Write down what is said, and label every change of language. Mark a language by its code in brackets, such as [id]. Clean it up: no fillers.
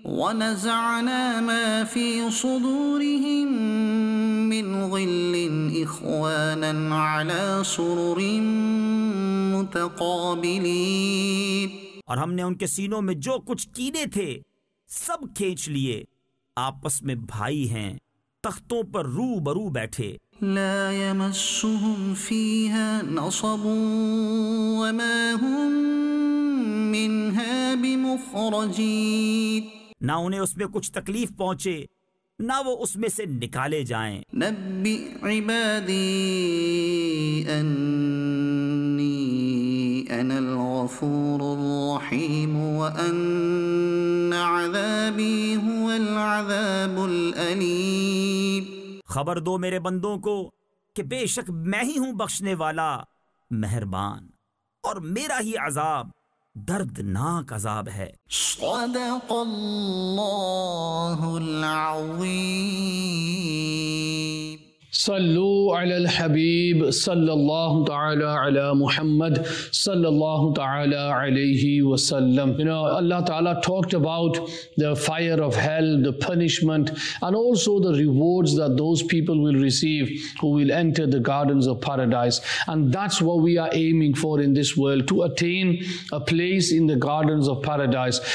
[ar] ونزعنا ما فی صدورهم من غل اخوانا على سرر متقابلین. [ur] اور ہم نے ان کے سینوں میں جو کچھ کینے تھے سب کھینچ لیے، آپس میں بھائی ہیں، تختوں پر رو برو بیٹھے. [ar] لا يمسهم فيها نصب وما هم منها بمخرجين. [ur] نہ انہیں اس میں کچھ تکلیف پہنچے نہ وہ اس میں سے نکالے جائیں. [ar] نبئ عبادی انی انا الغفور الرحیم وان عذابی هو العذاب الالیم. [ur] خبر دو میرے بندوں کو کہ بے شک میں ہی ہوں بخشنے والا مہربان، اور میرا ہی عذاب دردناک عذاب ہے. [ar] صدق اللہ العظیم. صلوا علی الحبیب صلی اللہ تعالی علی محمد صلی اللہ تعالی علیہ وسلم. [en] You know, Allah تعالی talked about the fire of hell, the punishment, and also the rewards that those people will receive who will enter the gardens of paradise. And that's what we are aiming for in this world, to attain a place in the gardens of paradise.